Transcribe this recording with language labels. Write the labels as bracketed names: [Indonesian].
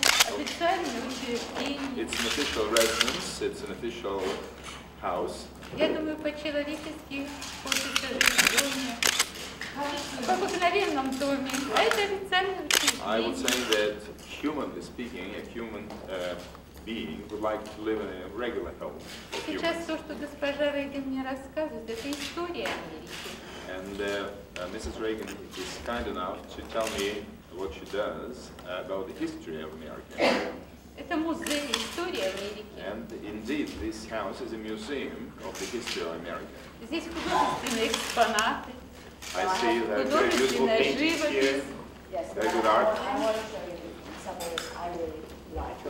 [English] It's an official residence, it's an official house. [Russian] Я думаю, по-человечески, хочется жить в доме, в обыкновенном доме. А это официально учреждение. [English] I would say that, humanly speaking, a human being would like to live in a regular home. [Russian] Сейчас то, что госпожа Рейган мне рассказывает, это история Америки. [English] And Mrs. Reagan is kind enough to tell me what she does about the history of America. [Russian] Это музей истории Америки. [English] And indeed, this house is a museum of the history of America. [Russian] Здесь художественные экспонаты. [English] I see that there are beautiful paintings here. Yes, very good art. I want to show you something I really like.